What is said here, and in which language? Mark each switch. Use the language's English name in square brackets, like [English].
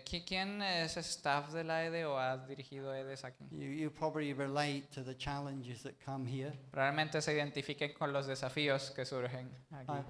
[Spanish] ¿Quién es staff de la ED o ha dirigido EDs aquí? [English] You probably relate to the challenges that come here. [Spanish] Probablemente se identifiquen con los desafíos que surgen aquí.